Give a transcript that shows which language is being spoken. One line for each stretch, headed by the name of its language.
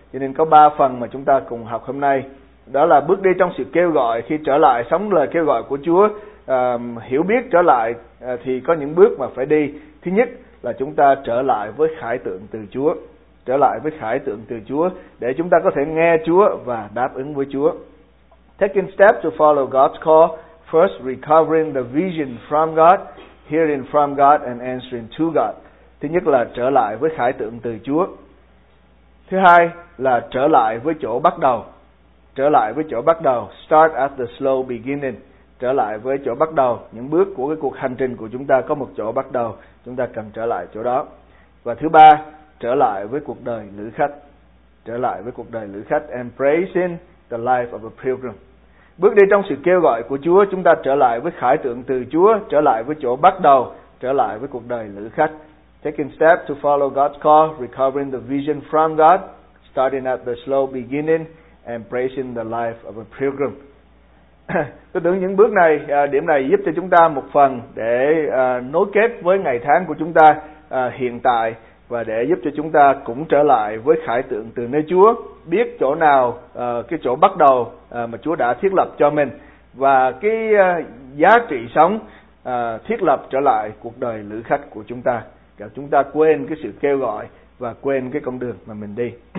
Vietnamese: Cho nên có 3 phần mà chúng ta cùng học hôm nay. Đó là bước đi trong sự kêu gọi, khi trở lại sống lời kêu gọi của Chúa. Hiểu biết trở lại thì có những bước mà phải đi. Thứ nhất là chúng ta trở lại với khải tượng từ Chúa. Trở lại với khải tượng từ Chúa để chúng ta có thể nghe Chúa và đáp ứng với Chúa.
English: Taking steps to follow God's call. First, recovering the vision from God, hearing from God and answering to God.
Vietnamese: Thứ nhất là trở lại với khải tượng từ Chúa. Thứ hai là trở lại với chỗ bắt đầu. Trở lại với chỗ bắt đầu.
English: Start at the slow beginning.
Vietnamese: Trở lại với chỗ bắt đầu, những bước của cái cuộc hành trình của chúng ta có một chỗ bắt đầu, chúng ta cần trở lại chỗ đó. Và thứ ba, trở lại với cuộc đời lữ khách. Trở lại với cuộc đời lữ khách,
English: embracing the life of a pilgrim.
Vietnamese: Bước đi trong sự kêu gọi của Chúa, chúng ta trở lại với khải tượng từ Chúa, trở lại với chỗ bắt đầu, trở lại với cuộc đời lữ khách.
English: Taking steps to follow God's call, recovering the vision from God, starting at the slow beginning, embracing the life of a pilgrim.
Vietnamese: Tôi tưởng những bước này, điểm này giúp cho chúng ta một phần để nối kết với ngày tháng của chúng ta hiện tại, và để giúp cho chúng ta cũng trở lại với khải tượng từ nơi Chúa, biết chỗ nào, cái chỗ bắt đầu mà Chúa đã thiết lập cho mình, và cái giá trị sống thiết lập trở lại cuộc đời lữ khách của chúng ta, để chúng ta quên cái sự kêu gọi và quên cái con đường mà mình đi.